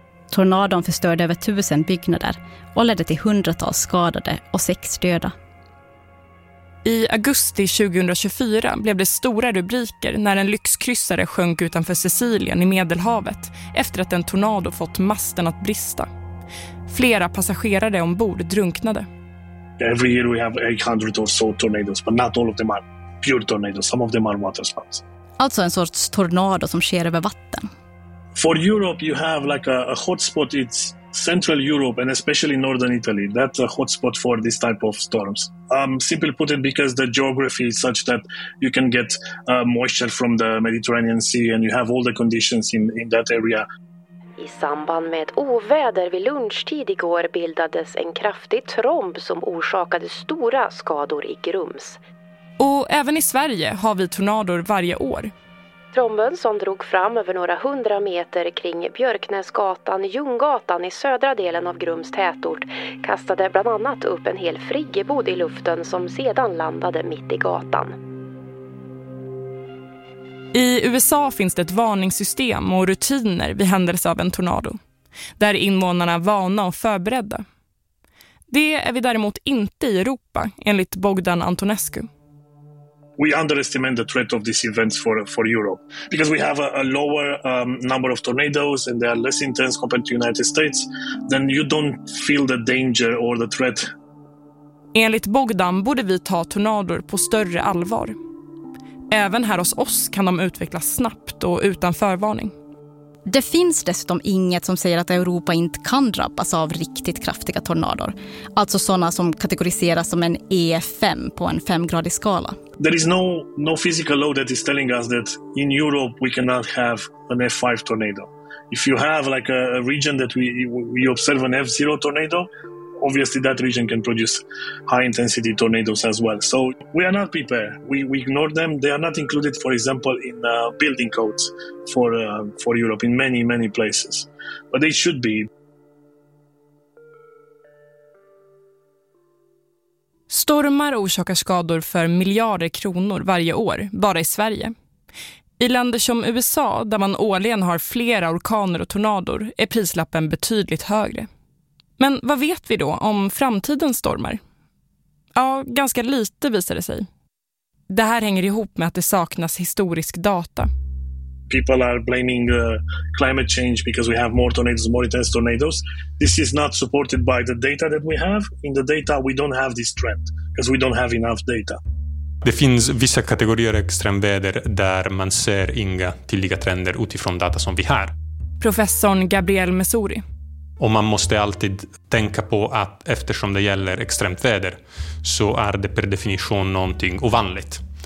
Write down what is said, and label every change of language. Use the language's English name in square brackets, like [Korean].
[Swedish] Tornadon förstörde över 1000 byggnader och ledde till hundratals skadade och 6 döda. I augusti 2024 blev det stora rubriker när en lyxkryssare sjönk utanför Sicilien i Medelhavet efter att en tornado fått masten att brista. Flera passagerare ombord drunknade. [English] Every year we have 800 or so tornadoes, but not all of them are pure tornadoes. Some of them are water spouts. [Swedish] Alltså en sorts tornado som sker över vatten. [English] For Europe you have like a hotspot, it's Central Europe and especially Northern Italy. That's a hotspot for this type of storms. Simply put it, because the geography is such that you can get moisture from the Mediterranean Sea and you have all the conditions in that area. [Swedish] I samband med ett oväder vid lunchtid igår bildades en kraftig tromb som orsakade stora skador i Grums. Och även i Sverige har vi tornador varje år. Tromben som drog fram över några hundra meter kring Björknäsgatan, Ljunggatan i södra delen av Grums tätort kastade bland annat upp en hel friggebod i luften som sedan landade mitt i gatan. I USA finns det ett varningssystem och rutiner vid händelse av en tornado, där invånarna vana och förberedda. Det är vi däremot inte i Europa, enligt Bogdan Antonescu. [English] We underestimate the threat of these events for Europe, because we have a lower number of tornadoes and they are less intense compared to the United States, then you don't feel the danger or the threat. [Swedish] Enligt Bogdan borde vi ta tornador på större allvar. Även här hos oss kan de utvecklas snabbt och utan förvarning. Det finns dessutom inget som säger att Europa inte kan drabbas av riktigt kraftiga tornador. Alltså sådana som kategoriseras som en EF5 på en 5-gradig skala. [English] There is no physical law that is telling us that in Europe we cannot have an F5 tornado. If you have like a region that we observe an F0 tornado, obviously that region can produce high intensity tornadoes as well. So we are not prepared. We ignore them. They are not included, for example, in building codes for Europe in many, many places. But they should be. [Swedish] Stormar orsakar skador för miljarder kronor varje år, bara i Sverige. I länder som USA, där man årligen har flera orkaner och tornador, är prislappen betydligt högre. Men vad vet vi då om framtidens stormar? Ja, ganska lite visar det sig. Det här hänger ihop med att det saknas historisk data. [English] people are blaming climate change because we have more tornadoes, more intense tornadoes. This is not supported by the data that we have. In the data, we don't have this trend because we don't have enough data. [Swedish] Det finns vissa kategorier extremväder där man ser inga tydliga trender utifrån data som vi har. Professor Gabriel Messori. Och man måste alltid tänka på att eftersom det gäller extremt väder så är det per definition någonting ovanligt.